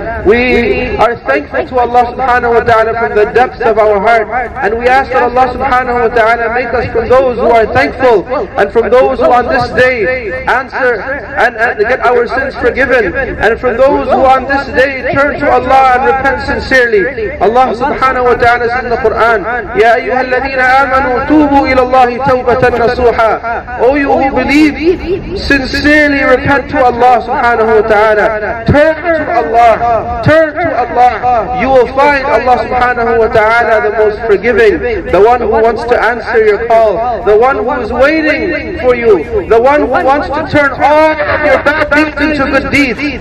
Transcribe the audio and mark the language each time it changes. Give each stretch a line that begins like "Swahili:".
English: we are thankful to Allah subhanahu wa ta'ala from the depths of our heart, and we ask that Allah subhanahu wa ta'ala make us from those who are thankful and from those who on this day answer and get our sins forgiven, and from those who on this day turn to Allah and repent sincerely. Allah subhanahu wa ta'ala says in the Quran,
Arabic: يَا أَيُّهَا الَّذِينَ آمَنُوا تُوبُوا إِلَى اللَّهِ تَوْبَةً نَصُوحًا.
English: O you who believe, sincerely repent to Allah subhanahu wa ta'ala. Turn to Allah, turn to Allah. You will find Allah subhanahu wa ta'ala the most forgiving, the one who wants to answer your call, the one who is waiting for you, the one who wants to turn all of your bad deeds into good deeds.